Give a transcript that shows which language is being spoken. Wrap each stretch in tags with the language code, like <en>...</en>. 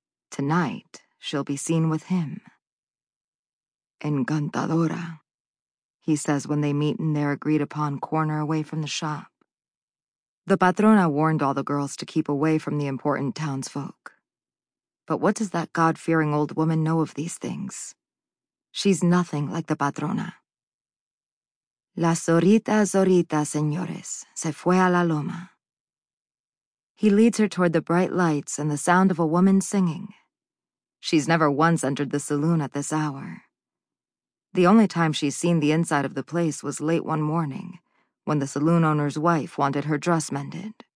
<en>Tonight, she'll be seen with him. Encantadora, he says when they meet in their agreed-upon corner away from the shop. The patrona warned all the girls to keep away from the important townsfolk. But what does that God-fearing old woman know of these things? She's nothing like the patrona.</en> <es>La Zorita Zorita, señores, se fue a la loma.</es> <en>He leads her toward the bright lights and the sound of a woman singing. She's never once entered the saloon at this hour. The only time she's seen the inside of the place was late one morning, when the saloon owner's wife wanted her dress mended.</en>